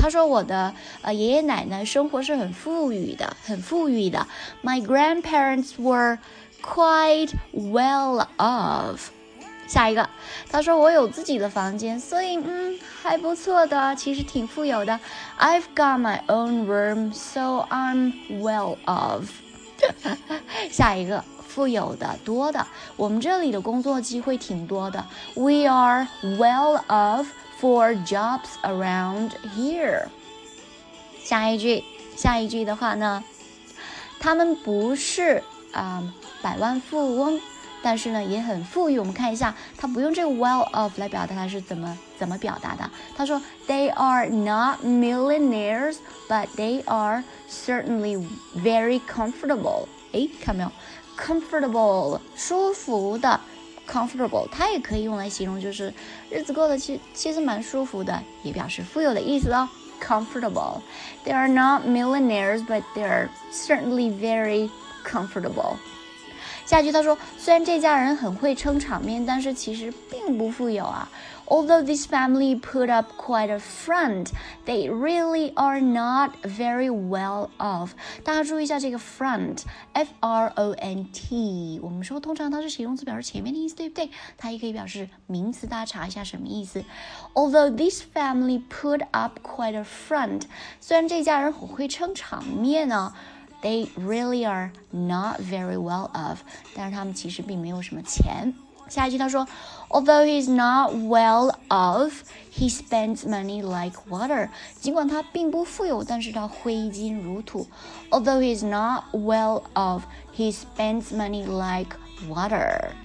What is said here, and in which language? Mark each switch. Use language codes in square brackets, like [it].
[zh] 他说我的爷爷奶奶生活是很富裕的，很富裕的。 [en] My grandparents were quite well off。 [zh] 下一个，他说我有自己的房间，所以还不错的，其实挺富有的。 [en] I've got my own room, so I'm well off. [zh] 下一个，富有的，多的，我们这里的工作机会挺多的。 [en] We are well off for jobs around here. [zh] 下一句的话呢，他们不是百万富翁。但是呢也很富裕，我们看一下他不用这个 well off 来表达他是怎么表达的。他说 [en] they are not millionaires, but they are certainly very comfortable. [zh] 诶，看没有， comfortable, 舒服的， comfortable, 它也可以用来形容就是日子过得其实蛮舒服的，也表示富有的意思哦。 [en] comfortable, they are not millionaires, but they are certainly very comfortable. [zh] 下句他说虽然这家人很会撑场面，但是其实并不富有啊。 [en] Although this family put up quite a front, they really are not very well off. [zh] 大家注意一下这个 front, F-R-O-N-T, 我们说通常它是形容词表示前面的意思，对不对？它也可以表示名词，大家查一下什么意思。 [en] Although this family put up quite a front, [zh] 虽然这家人很会撑场面呢、啊。 [en] They really are not very well off, [zh] 但是他们其实并没有什么钱。下一句他说 [en] although he's not well off, he spends money like water. [zh] 尽管他并不富有，但是他挥金如土。 [en] Although he's not well off, he spends money like water.